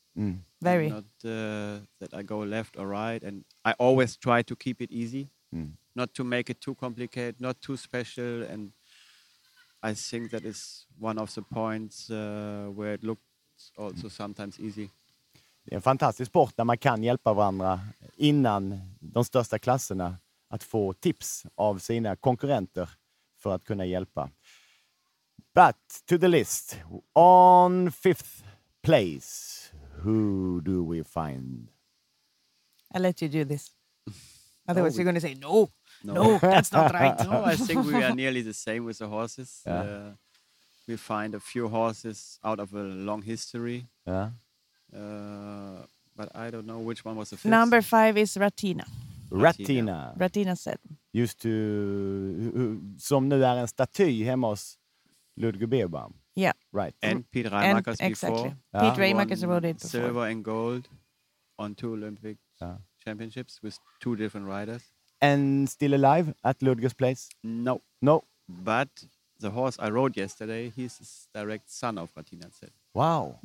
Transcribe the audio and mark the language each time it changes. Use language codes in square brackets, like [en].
[en] Mm. Very. Not that I go left or right. And I always try to keep it easy. Mm. Not to make it too complicated, not too special. And I think that is one of the points where it looks also sometimes easy. [sv] Det är en fantastisk sport där man kan hjälpa varandra innan de största klasserna att få tips av sina konkurrenter för att kunna hjälpa. [en] But to the list, on fifth place, who do we find? I let you do this. Otherwise, you're going to say, no, no, that's not right. No, I think we are nearly the same with the horses. Yeah. We find a few horses out of a long history. Yeah. But I don't know which one was the fifth. Number five is Ratina. Ratina. Ratina said. Used to, [sv] som nu är en staty hemma hos Ludger Beerbaum. [en] Yeah. Right. And Pete Reimakers before. Exactly. Pete Reimakers wrote it before. Silver and gold on two Olympic championships with two different riders. And still alive at Ludger's place? No. No. But the horse I rode yesterday, he's the direct son of Ratina said. Wow.